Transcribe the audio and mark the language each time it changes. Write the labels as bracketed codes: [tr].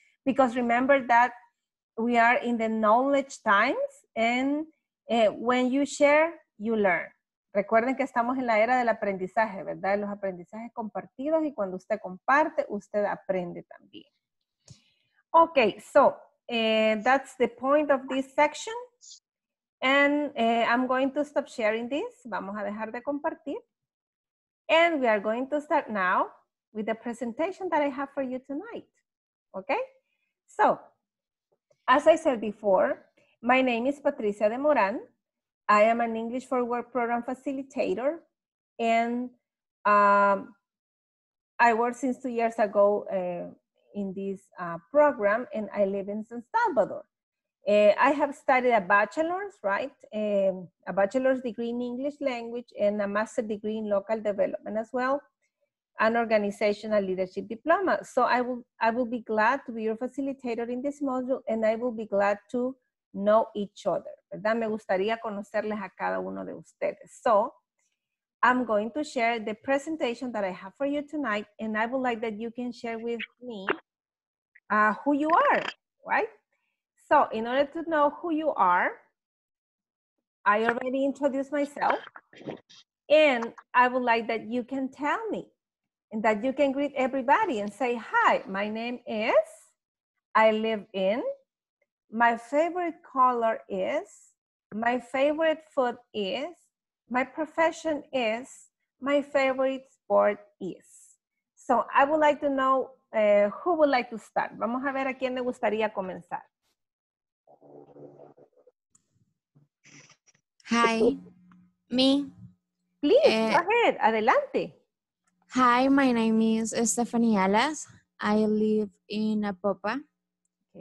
[en] Because remember that we are in the knowledge times, and when you share, you learn. [es] Recuerden que estamos en la era del aprendizaje, ¿verdad? De los aprendizajes compartidos, y cuando usted comparte, usted aprende también. [en] Okay, so that's the point of this section. And I'm going to stop sharing this. [es] Vamos a dejar de compartir. [en] And we are going to start now with the presentation that I have for you tonight. Okay? So, as I said before, my name is Patricia de Moran. I am an English for Work program facilitator. And I worked since 2 years ago in this program, and I live in San Salvador. I have studied a bachelor's degree in English language and a master's degree in local development as well, an organizational leadership diploma. So I will be glad to be your facilitator in this module, and I will be glad to know each other, ¿verdad? [es] Me gustaría conocerles a cada uno de ustedes. [en] So I'm going to share the presentation that I have for you tonight, and I would like that you can share with me who you are, right? So in order to know who you are, I already introduced myself, and I would like that you can tell me and that you can greet everybody and say, hi, my name is, I live in, my favorite color is, my favorite food is, my profession is, my favorite sport is. So I would like to know who would like to start. [es] Vamos a ver a quién le gustaría comenzar. [en] Hi, me. Please, go ahead, adelante. Hi, my name is Stephanie Alas. I live in Apopa. Okay.